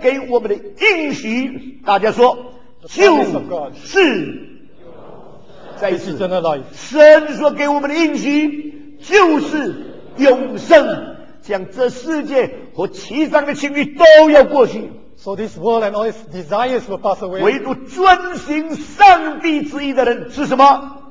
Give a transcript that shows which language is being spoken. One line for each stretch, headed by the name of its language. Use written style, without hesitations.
Chinese: 神给我们的应许。大家说，就是再一次，神说给我们的应许就是永生，将这世界和其上的情欲都要过去。
English: So this world and all its desires will pass away.
Chinese: 唯独遵行上帝旨意的人是什么？